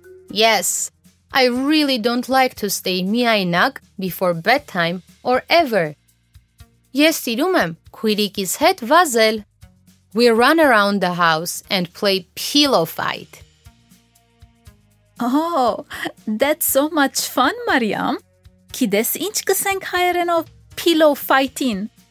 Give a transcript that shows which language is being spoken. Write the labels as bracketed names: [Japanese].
[English] Yes, I really don't like to stay [Armenian] միայնակ [English] before bedtime or ever. [Armenian] Ես սիրում եմ քույրիկիս հետ վազել. [English] We run around the house and play pillow fight. Oh, that's so much fun, Mariam. [Armenian] Գիտես ինչ կսենք հայերենով [English] pillow fight- [Armenian] ին?